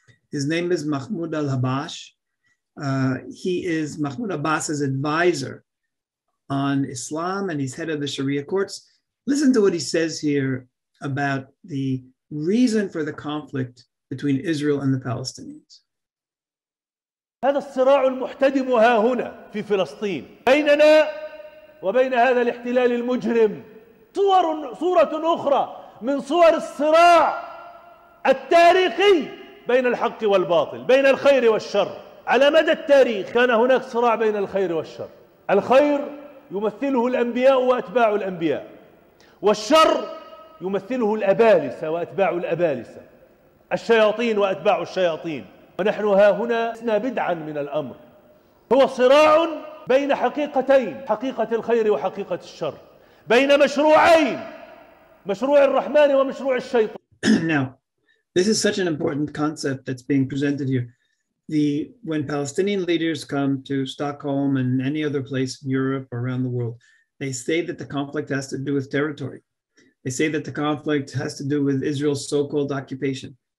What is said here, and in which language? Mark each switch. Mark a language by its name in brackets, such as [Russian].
[English] His name is Mahmoud Abbas. He is Mahmoud Abbas's advisor on Islam, and he's head of the Sharia courts. Listen to what he says here about the reason for the conflict between Israel and the Palestinians. [Arabic] هذا الصراع المحتدم ها هنا في فلسطين بيننا وبين هذا الاحتلال المجرم صورة أخرى من صور الصراع التاريخي بين الحق والباطل بين الخير والشر على مدى التاريخ كان هناك صراع بين الخير والشر الخير يمثله الأنبياء وأتباع الأنبياء والشر يمثله الأبالسة وأتباع الأبالسة الشياطين وأتباع الشياطين ونحن ها هنا لسنا بدعا من الأمر هو صراع بين حقيقتين حقيقة الخير وحقيقة الشر بين مشروعين مشروع الرحمن ومشروع الشيطان. [English] Now, this is such an important concept that's being presented here. When Palestinian leaders come to Stockholm and any other place in Europe or around the world, they say that the conflict has to do with territory. They say that the conflict has to do with Israel's so-called occupation.